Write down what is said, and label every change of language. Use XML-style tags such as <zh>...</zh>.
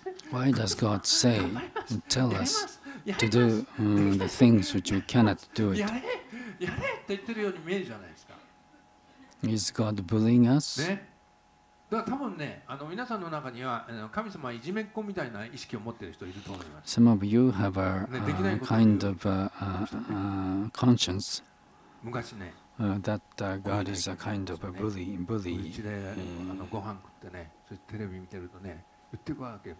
<en>Why does God say and tell us to do the things which we cannot do it?</en> <ja>やれって言ってるように見えるじゃないですか。</ja> <en>Is God bullying us?</en> <ja>ね。だから多分ね、皆さんの中には神様はいじめっ子みたいな意識を持っている人いると思います。</ja> <en>Some of you have a kind of conscience.</en> <ja>昔ね。</ja> <en>That God is a kind of a bully. Bully.</en> <ja>うちでご飯食ってね、そしてテレビ見てるとね、言ってくるわけ。</ja>